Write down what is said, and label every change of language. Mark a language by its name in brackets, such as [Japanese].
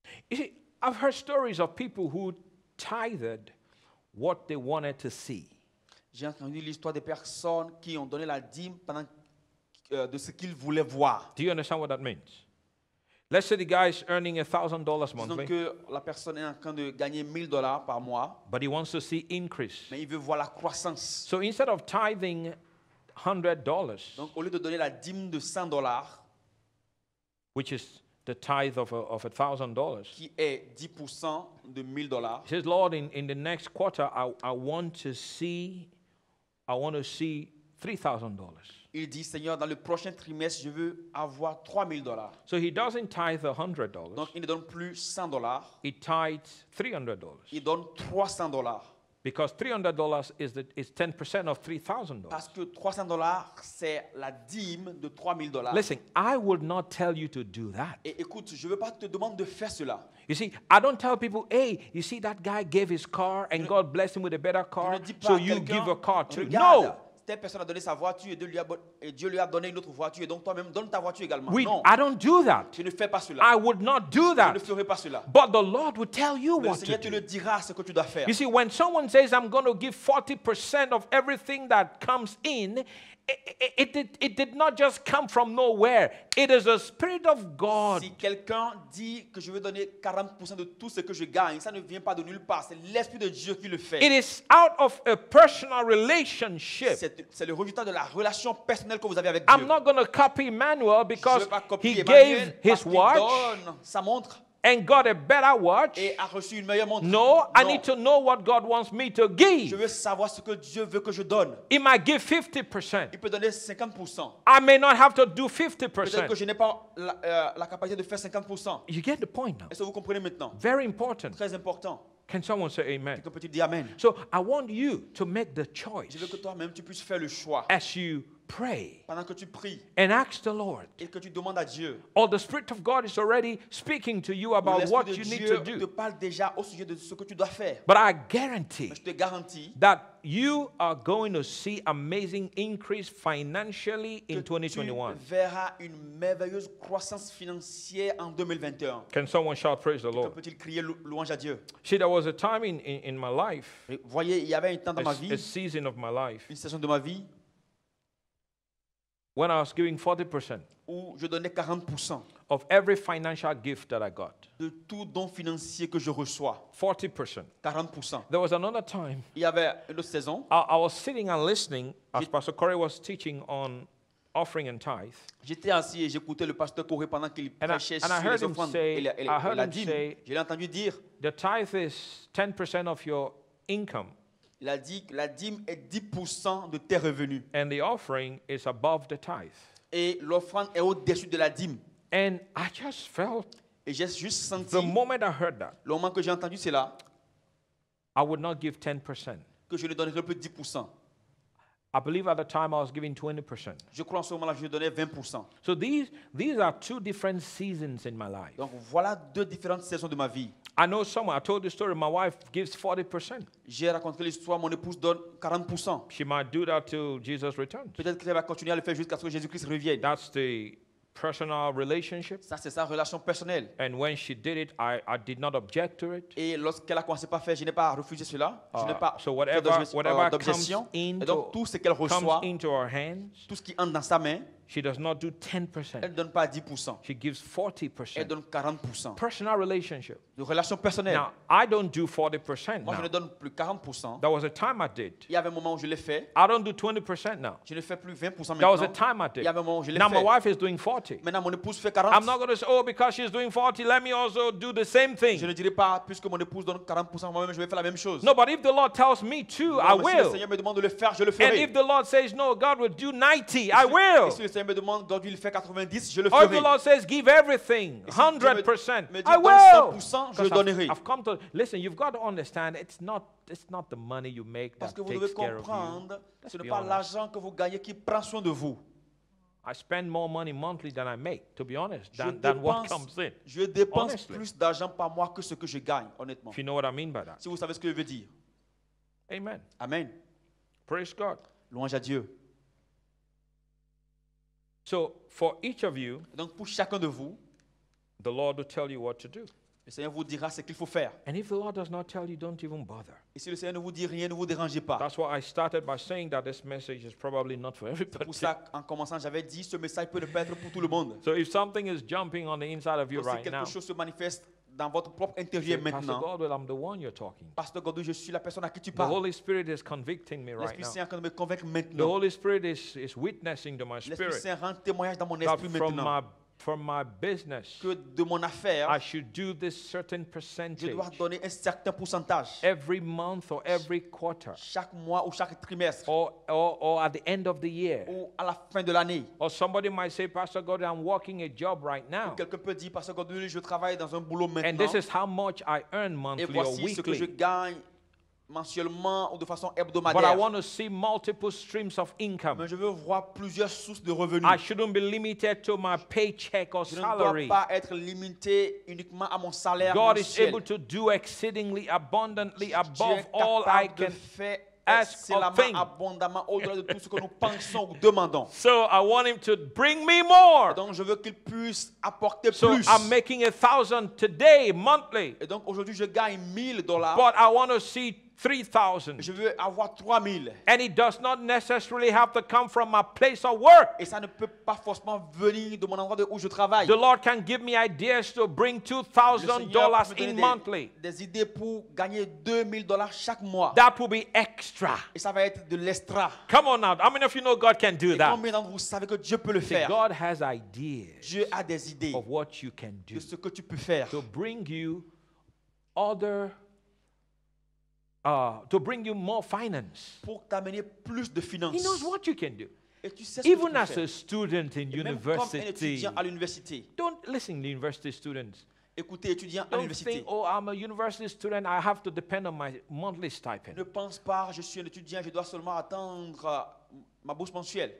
[English] You see, I've heard stories of people who tithed what they wanted to see. [French] J'ai entendu l'histoire des personnes qui ont donné la dîme pendant de ce qu'ils voulaient voir. [English] Do you understand what that means? Let's say the guy is earning $1,000 monthly. [French] Disons que la personne est en train de gagner 1000 dollars par mois. [English] But he wants to see increase. [French] Mais il veut voir la croissance. [English] So instead of tithing $100. [French] Donc au lieu de donner la dîme de $100. [English] Which is the tithe of $1,000. [French] Qui est 10% de $1,000. [English] He says, Lord, in the next quarter, I want to see $3,000. [French] Il dit, Seigneur, dans le prochain trimestre, je veux avoir $3,000. [English] So he doesn't tithe $100. [French] Donc il ne donne plus $100. [English] He tithes $300. [French] Il donne $300. [English] Because $300 is 10% of $3,000. [French] Parce que $300 c'est la dîme de $3,000. [English] Listen, I would not tell you to do that. [French] Et écoute, je veux pas te demander de faire cela. [English] You see, I don't tell people, hey, you see that guy gave his car and God blessed him with a better car, so you give a car too. [French] Regarde. [English] No. [French] Cette personne a donné sa voiture et Dieu lui a donné une autre voiture et donc toi-même donne ta voiture également. Oui, non. [English] I don't do that. [French] Je ne fais pas cela. [English] I would not do that. [French] Je ne ferai pas cela. [English] But the Lord will tell you what to do. [French] Le Seigneur te le dira ce que tu dois faire. [English] You see, when someone says I'm going to give 40% of everything that comes in, it did not just come from nowhere. It is the Spirit of God. [French] Si quelqu'un dit que je veux donner 40% de tout ce que je gagne, ça ne vient pas de nulle part. C'est l'Esprit de Dieu qui le fait. [English] It is out of a personal relationship. [French] C'est le résultat de la relation personnelle que vous avez avec Dieu. [English] I'm not going to copy Emmanuel because he gave his watch. [French] Donne sa montre. [English] And got a better watch. [French] Et a reçu une meilleure montre. [English] No, I need to know what God wants me to give. [French] Je veux savoir ce que Dieu veut que je donne. [English] He might give 50%. [French] Il peut donner 50%. [English] I may not have to do 50%. [French] Peut-être que je n'ai pas la capacité de faire 50%. [English] You get the point now. [French] Est-ce que vous comprenez maintenant? [English] Very important. [French] Très important. [English] Can someone say amen? [French] Quelqu'un peut-il dire amen? [English] So I want you to make the choice. [French] Je veux que toi-même tu puisses faire le choix. [English] As you pray. [French] Pendant que tu pries. [English] And ask the Lord. [French] Et que tu demandes à Dieu. [English] Or the Spirit of God is already speaking to you about what you need to do. [French] Te parle déjà au sujet de ce que tu dois faire. [English] But I guarantee. [French] Mais je te garantis. [English] That you are going to see amazing increase financially in 2021. [French] Tu verras une merveilleuse croissance financière en 2021. [English] Can someone shout praise the Lord? [French] Peut-il crier louange à Dieu? [English] See, there was a time in my life. [French] Voyez, il y avait un temps dans ma vie. [English] A season of my life. [French] Une saison de ma vie. [English] When I was giving 40%. [French] Où je donnais 40%. [English] Of every financial gift that I got. [French] De tout don financier que je reçois. [English] 40%. [French] 40%. [English] There was another time. [French] Il y avait une autre saison. [English] I was sitting and listening as Pastor Corey was teaching on offering and tithe. [French] J'étais assis et j'écoutais le pasteur Corey pendant qu'il prêchait sur les offrandes. [English] I heard him say. [French] Je l'ai entendu dire. [English] The tithe is 10% of your income. [French] Il a dit que la dîme est 10% de tes revenus. [English] And the offering is above the tithe. [French] Et l'offrande est au-dessus de la dîme. [English] And I just felt. [French] Et j'ai juste senti. [English] The moment I heard that. [French] Le moment que j'ai entendu cela. [English] I would not give 10%. [French] Que je ne donnerais plus 10%. [English] I believe at the time I was giving 20%. [French] Je crois en ce moment-là, je donnais 20%. [English] So these are two different seasons in my life. [French] Donc voilà deux différentes saisons de ma vie. [English] I know someone. I told the story. My wife gives 40%. [French] J'ai raconté l'histoire. Mon épouse donne 40%. [English] She might do that till Jesus returns. [French] Peut-être qu'elle va continuer à le faire jusqu'à ce que Jésus-Christ revienne. [English] That's the personal relationship. [French] Ça c'est sa relation personnelle. [English] And when she did it, I did not object to it. [French] Et lorsqu'elle a commencé à faire, je n'ai pas refusé cela. Je n'ai pas. [English] So whatever [French] d'objection. [English] Comes into, [French] et donc tout ce qu'elle reçoit, [English] into her hands, [French] tout ce qui entre dans sa main. [English] She does not do 10%. [French] Elle donne pas 10%. [English] She gives 40%. [French] Elle donne 40%. [English] Personal relationship. [French] De relation personnelle. [English] Now, I don't do 40%. [French] Moi, je ne donne plus 40%. [English] There was a time I did. [French] Il y avait un moment où je l'ai fait. [English] I don't do 20% now. [French] Je ne fais plus 20% [English] there [French] maintenant. [English] There was a time I did. [French] Il y avait un moment où je l'ai [English] now [French] fait. [English] Now my wife is doing 40. [French] Maintenant mon épouse fait 40. [English] I'm not going to say, oh, because she's doing 40, let me also do the same thing. [French] Je ne dirai pas puisque mon épouse donne 40%, moi-même je vais faire la même chose. [English] No, but if the Lord tells me to, [French] non, [English] I will. [French] Si le Seigneur me demande de le faire, je le ferai. [English] And if the Lord says no, God will do 90, I will. [French] Si me demande d'aujourd'hui le faire 90, je le ferai. [English] The Lord says give everything, 100%. I will. [French] 100%, je donnerai. [English] I've come to listen. You've got to understand. It's not the money you make that takes care of you. [French] Parce que vous devez comprendre, ce n'est pas l'argent que vous gagnez qui prend soin de vous. [English] I spend more money monthly than I make, to be honest, than what comes in. [French] Je dépense plus d'argent par mois que ce que je gagne, honnêtement. [English] If you know what I mean by that. [French] Si vous savez ce que je veux dire. [English] Amen. [French] Amen. [English] Praise God. [French] Louange à Dieu. [English] So for each of you, [French] donc pour chacun de vous, [English] the Lord will tell you what to do. [French] Le Seigneur vous dira ce qu'il faut faire. [English] And if the Lord does not tell you, don't even bother. [French] Et si le Seigneur ne vous dit rien, ne vous dérangez pas. [English] That's why I started by saying that this message is probably not for everybody. [French] C'est pour ça qu'en commençant, j'avais dit ce message peut ne pas être pour tout le monde. [English] So if something is jumping on the inside of you right now, [French] si quelque chose se manifeste dans votre propre intérieur maintenant. [English] Pastor Godwill, I'm the one you're talking. [French] Pastor Godwill, je suis la personne à qui tu parles. [English] The Holy Spirit is convicting me right now. [French] L'Esprit Saint est en train de me convaincre maintenant. [English] The Holy Spirit is witnessing to my spirit. [French] L'Esprit Saint rend témoignage dans mon esprit maintenant. [English] From my for my business, [French] que de mon affaire, [English] I should do this certain percentage, [French] je dois donner un certain pourcentage, [English] every month or every quarter, [French] chaque mois ou chaque trimestre, [English] or at the end of the year, [French] ou à la fin de l'année. [English] Or somebody might say, Pastor God, I'm working a job right now. [French] Ou quelqu'un peut dire, Pastor God, je travaille dans un boulot maintenant. [English] And this is how much I earn monthly [French] et voici [English] or weekly. [French] Ce que je gagne mensuellement ou de façon hebdomadaire. [English] But I want to see multiple streams of income. [French] Mais je veux voir plusieurs sources de revenus. [English] I shouldn't be limited to my paycheck or salary. [French] Je ne dois pas être limité uniquement à mon salaire. [English] God [French] mensuel. [English] Is able to do exceedingly abundantly above all I can ask or think. [French] Abondamment au-delà de tout ce que nous pensons ou demandons. [English] So I want him to bring me more. [French] Et donc je veux qu'il puisse apporter [English] so [French] plus. [English] So I'm making $1,000 today monthly. [French] Et donc aujourd'hui je gagne $1,000. [English] But I want to see 3,000. [French] Je veux avoir 3,000. [English] And it does not necessarily have to come from my place of work. [French] Et ça ne peut pas forcément venir de mon endroit où je travaille. [English] The Lord can give me ideas to bring $2,000 in monthly. [French] Des idées pour gagner $2,000 chaque mois. [English] That will be extra. [French] Et ça va être de l'extra. [English] Come on now. How many of you know God can do that? [French] Combien d'entre vous savez que Dieu peut le faire? [English] God has ideas. [French] Dieu a des idées. [English] Of what you can do. [French] De ce que tu peux faire. [English] To bring you other. To bring you more finance. [French] Pour t'amener plus de finance. [English] He knows what you can do. [French] Et tu sais [English] even [French] ce que [English] as [French] faire. [English] A student in [French] et [English] university. [French] Même comme un étudiant à l'université. [English] Don't listen to university students. [French] Écoutez, étudiant [English] don't [French] à l'université. [English] Think, oh, I'm a university student, I have to depend on my monthly stipend. [French] Ne pense pas, je suis un étudiant, je dois seulement attendre ma bourse mensuelle.